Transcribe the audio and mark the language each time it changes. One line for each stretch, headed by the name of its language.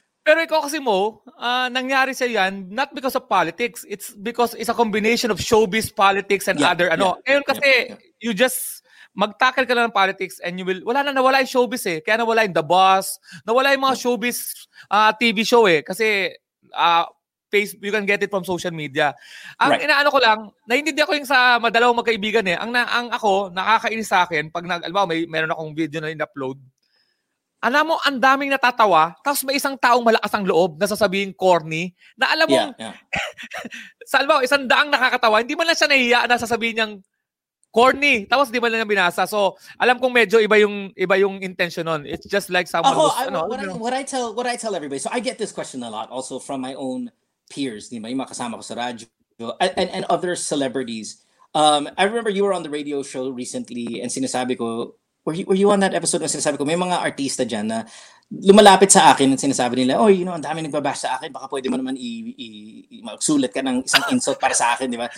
Filipino: Pero ikaw kasi mo, nangyari sa yan,
English: not because of politics, it's because it's a combination of showbiz, politics, and other,
Filipino: ano. Ngayon kasi,
English: you just,
Filipino: mag-tackle ka na ng politics
English: and you will,
Filipino: wala na, nawala yung showbiz eh. Kaya nawala yung The Boss, nawala yung mga showbiz TV show eh. Kasi, Facebook,
English: you can get it from social media.
Filipino: Ang inaano ko lang, naiintindihan ko yung sa madalawang magkaibigan eh. Ang ako, nakakainis sa akin, pag nag-alabaw, meron akong video na in-upload, alam mo, ang daming natatawa, tapos may isang taong malakas ang loob na sasabihin corny, na alam mo, sa alam mo, isang daang nakakatawa, hindi man lang siya nahihiya na sasabihin niyang corny, tapos hindi man lang binasa. So, alam kong medyo iba yung intention nun.
English: It's just like someone who's, what I tell everybody, so I get this question a lot also from my own peers,
Filipino: di ba? Yung mga kasama ko sa radyo,
English: and other celebrities. I remember you were on the radio show recently
Filipino: and sinasabi ko,
English: Were you on that episode
Filipino: na sinasabi ko, may mga artista dyan na lumalapit sa akin at sinasabi nila,
English: oh, you know,
Filipino: ang dami nagbabash sa akin, baka pwede mo naman magsulat ka ng isang insult para sa akin, di ba?